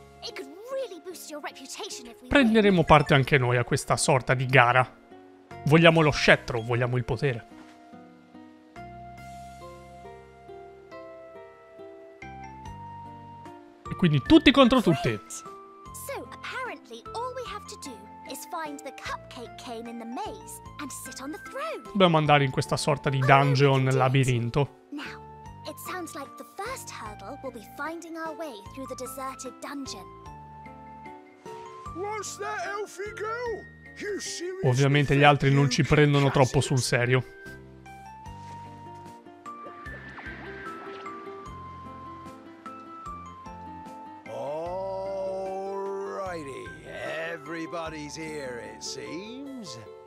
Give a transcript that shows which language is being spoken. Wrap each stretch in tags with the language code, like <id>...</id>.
<en>It could really boost your reputation if we...</en> <it>Prenderemo parte anche noi a questa sorta di gara. Vogliamo lo scettro, vogliamo il potere. E quindi tutti contro tutti.</it> <en>So apparently all we have to do is find the cupcake cane in the maze and sit on the throne.</en> <it>Dobbiamo andare in questa sorta di dungeon labirinto.</it> <en>Now, it sounds like the first hurdle will be finding our way through the deserted dungeon. What's that, Elfie girl?</en> <it>Ovviamente gli altri non ci prendono troppo sul serio.</it> <en>Alrighty, everybody's here, it seems.</en>